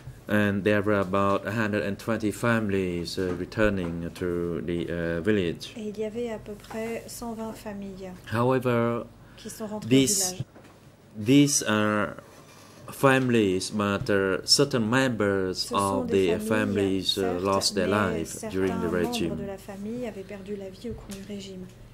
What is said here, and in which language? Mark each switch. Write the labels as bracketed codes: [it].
[en] And there were about 120 families returning to the village. [fr] Et il y avait à peu près 120 familles. [en] However, [fr] qui sont rentrées this, au village. [en] These are families, but certain members of the families lost their life during the regime. [fr] De la famille avaient perdu la vie au cours du régime.